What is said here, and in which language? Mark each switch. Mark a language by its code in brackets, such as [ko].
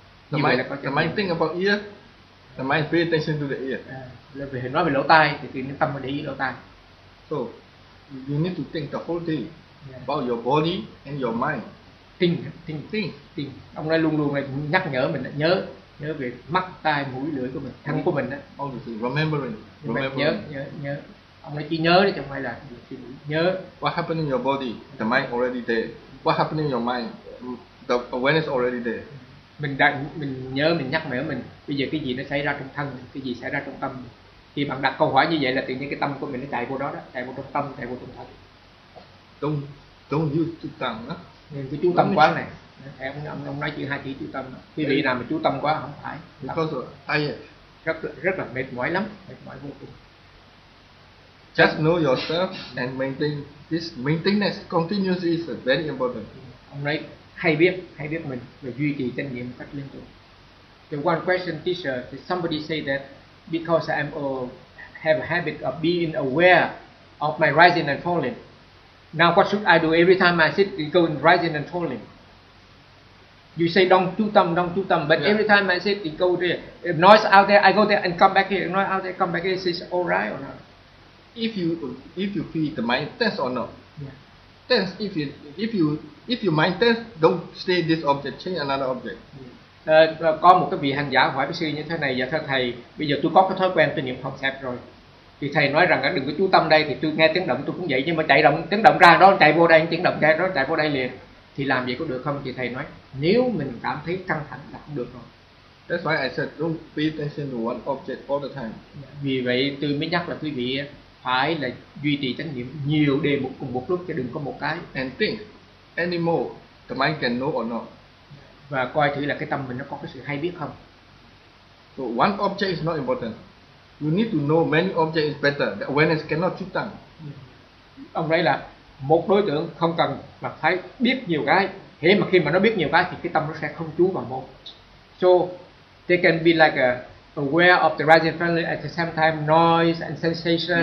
[en] The mind think about ear, the mind pay attention to the ear. [vi] Nói về lỗ tai thì tự nhiên tâm nó để ý lỗ tai. [en] So you need to think the whole day about your body and your mind. Think. [vi] Ông nói luôn luôn này nhắc nhở mình nhớ về mắt, tai, mũi, lưỡi của mình, thân của mình đó. [en] Remembering. [vi] Nhớ. Ông ấy chỉ nhớ đấy, chẳng phải là nhớ. [en] What happened in your body? The mind already there. What happened in your mind? The awareness already there. [vi] Mình nhắc mình. Bây giờ cái gì nó xảy ra trong thân, cái gì xảy ra trong tâm. Khi bạn đặt câu hỏi như vậy là tự nhiên cái tâm của mình nó chạy vô đó, chạy vô trong tâm, chạy vô trong thân. [en] Don't use chú tâm đó. [vi] Nên cái chú tâm quá này. Ông nói chuyện hai chữ chú tâm. Khi bị nào mà chú tâm quá không phải. Rất là mệt mỏi lắm, mệt mỏi vô cùng. [en] Just know yourself and maintain this maintenance continuously is very important. [vi] Ông nói hay biết mình và duy trì chánh niệm cách liên tục. [en] The one question teacher, did somebody say that because I'm have a habit of being aware of my rising and falling. Now what should I do every time I sit and go in rising and falling? You say don't chú tâm, but every time I sit and go there, if noise out there, I go there and come back here. If noise out there, come back here. Is it all right or not? If you feel the mind tense or not, tense. If your mind tense, don't stay this object, change another object. [vi] Có một cái vị hành giả hỏi với sư như thế này, và thưa thầy, bây giờ tôi có cái thói quen tôi niệm phật sẹp rồi, thì thầy nói rằng đừng có chú tâm đây, thì tôi nghe tiếng động tôi cũng vậy, nhưng mà chạy động tiếng động ra đó chạy vô đây, tiếng động ra đó chạy vô đây liền, thì làm vậy có được không? Thì thầy nói nếu mình cảm thấy căng thẳng là không được rồi. [en] That's why I said don't pay attention to one object all the time. [vi] Vì vậy tôi mới nhắc là quý vị phải là duy trì chánh niệm nhiều đề mục cùng một lúc, chứ đừng có một cái. [en] And think anymore, the mind can know or not. [vi] Và coi thử là cái tâm mình nó có cái sự hay biết không. [en] So one object is not important. You need to know many objects is better. The awareness cannot chú tâm. [vi] Ông nói là một đối tượng không cần mà phải biết nhiều cái. Thế mà khi mà nó biết nhiều cái thì cái tâm nó sẽ không chú vào một. [en] So they can be like a aware of the rising family at the same time, noise and sensation,